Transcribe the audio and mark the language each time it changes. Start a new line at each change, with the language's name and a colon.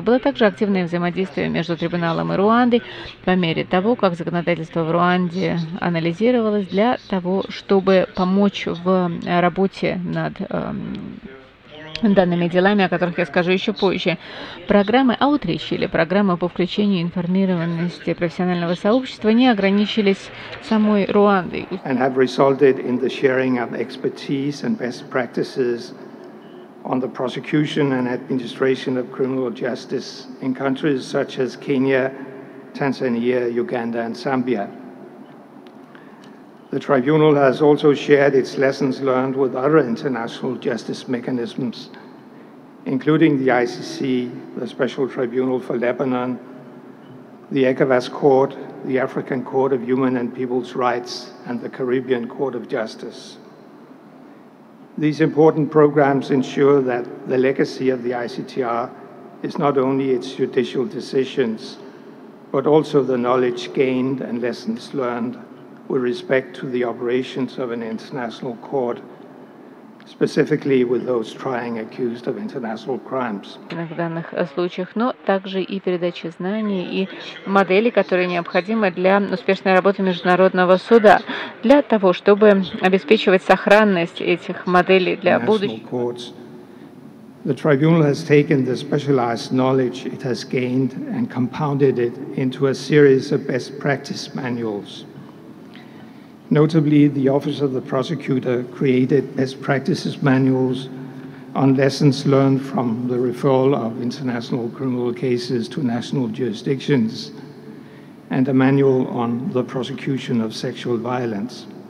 Russian: Было также активное взаимодействие между трибуналом и Руандой по мере того, как законодательство в Руанде анализировалось для того, чтобы помочь в работе над данными делами, о которых я скажу еще позже. Программы outreach или программы по включению информированности профессионального сообщества не ограничились самой Руандой.
English: And have resulted in the sharing of expertise and best practices on the prosecution and administration of criminal justice in countries such as Kenya, Tanzania, Uganda and Zambia. The tribunal has also shared its lessons learned with other international justice mechanisms, including the ICC, the Special Tribunal for Lebanon, the ECOWAS Court, the African Court of Human and People's Rights, and the Caribbean Court of Justice. These important programs ensure that the legacy of the ICTR is not only its judicial decisions, but also the knowledge gained and lessons learned with respect to the operations of an international court, specifically with those trying accused of international crimes.
Russian: В данных случаях, но также и передача знаний и модели, которые необходимы для успешной работы международного суда, для того, чтобы обеспечивать сохранность этих моделей для будущего.
English: The tribunal has taken the specialized knowledge it has gained and compounded it into a series of best practice manuals. Notably, the Office of the Prosecutor created best practices manuals on lessons learned from the referral of international criminal cases to national jurisdictions, and a manual on the prosecution of sexual violence.